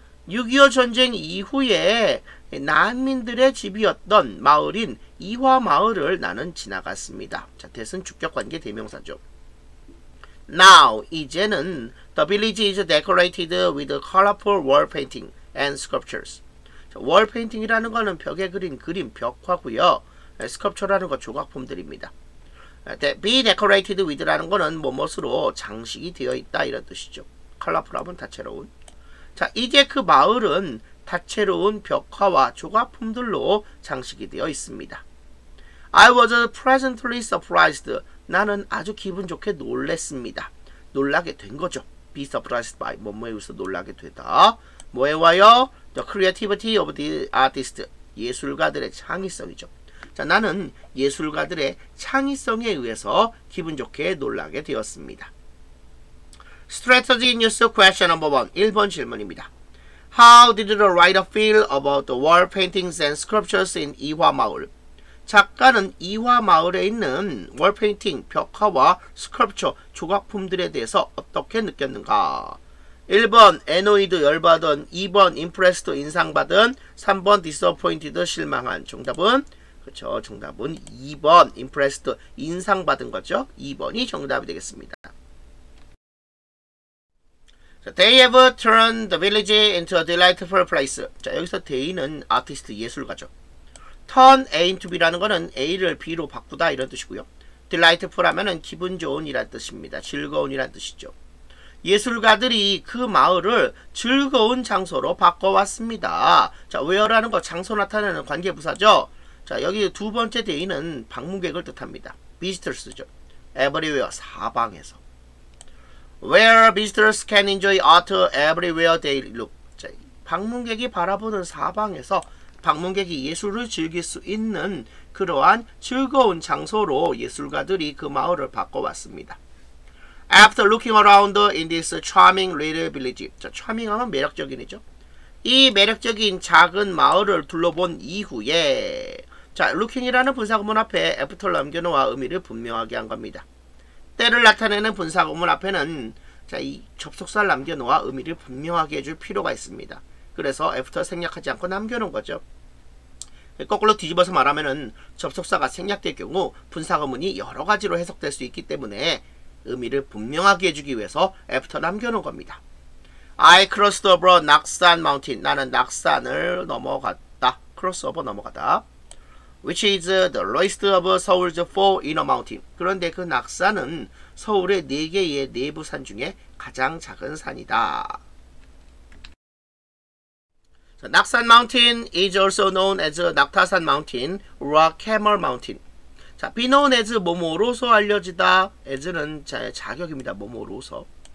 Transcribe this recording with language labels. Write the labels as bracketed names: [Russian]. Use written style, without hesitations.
[Korean] 6.25 전쟁 이후에 난민들의 집이었던 마을인 이화 마을을 나는 지나갔습니다. 자, that은 주격관계 대명사죠. [English] Now, 이제는 the village is decorated with colorful wall painting and sculptures. [Korean] 월페인팅이라는 거는 벽에 그린 그림, 벽화고요. 스컵처라는 거 조각품들입니다. Be decorated with라는 거는 뭐뭐으로 장식이 되어 있다 이런 뜻이죠. 컬러풀하면 다채로운. 자, 이제 그 마을은 다채로운 벽화와 조각품들로 장식이 되어 있습니다. [English] I was pleasantly surprised. [Korean] 나는 아주 기분 좋게 놀랬습니다. 놀라게 된 거죠. Be surprised by 뭐뭐에 의해서 놀라게 되다. 뭐에 와요? [English] The creativity of the artist. [Korean] 예술가들의 창의성이죠. 자, 나는 예술가들의 창의성에 의해서 기분 좋게 놀라게 되었습니다. [English] Strategy news question number 1. [Korean] 1번 질문입니다. [English] How did the writer feel about the wall paintings and sculptures in 이화 마을? [Korean] 작가는 이화 마을에 있는 wall painting, 벽화와 sculpture, 조각품들에 대해서 어떻게 느꼈는가? 1번 annoyed 열받은, 2번 impressed 인상받은, 3번 disappointed 실망한. 정답은 그렇죠. 정답은 2번 impressed 인상받은 거죠. 2번이 정답이 되겠습니다. [English] So, they have turned the village into a delightful place. [Korean] 자, 여기서 they는 아티스트 예술가죠. turn A into B라는 거는 A를 B로 바꾸다 이런 뜻이고요. delightful 하면은 기분 좋은이란 뜻입니다. 즐거운이란 뜻이죠. 예술가들이 그 마을을 즐거운 장소로 바꿔왔습니다. 자, where라는 거 장소 나타내는 관계부사죠. 자, 여기 두 번째 대인은 방문객을 뜻합니다. visitors죠. everywhere, 사방에서. [English] where visitors can enjoy art everywhere they look. [Korean] 자, 방문객이 바라보는 사방에서 방문객이 예술을 즐길 수 있는 그러한 즐거운 장소로 예술가들이 그 마을을 바꿔왔습니다. [English] After looking around in this charming little village. [Korean] 자, charming 하면 매력적인이죠. 이 매력적인 작은 마을을 둘러본 이후에, 자, looking이라는 분사구문 앞에 after를 남겨놓아 의미를 분명하게 한 겁니다. 때를 나타내는 분사구문 앞에는, 자, 이 접속사를 남겨놓아 의미를 분명하게 해줄 필요가 있습니다. 그래서 after 생략하지 않고 남겨놓은 거죠. 거꾸로 뒤집어서 말하면은 접속사가 생략될 경우 분사구문이 여러 가지로 해석될 수 있기 때문에 의미를 분명하게 해주기 위해서 after 남겨놓은 겁니다. [English] I crossed over Naksan Mountain. [Korean] 나는 낙산을 넘어갔다. [English] Cross over [Korean] 넘어갔다. [English] Which is the lowest of Seoul's four inner mountains. [Korean] 그런데 그 낙산은 서울의 네 개의 내부 산 중에 가장 작은 산이다. [English] 자, 낙산 Mountain is also known as 낙타산 Mountain or Camel Mountain. [Korean] 자, be known as 뭐뭐로서 알려지다. as는 자격입니다. 뭐뭐로서.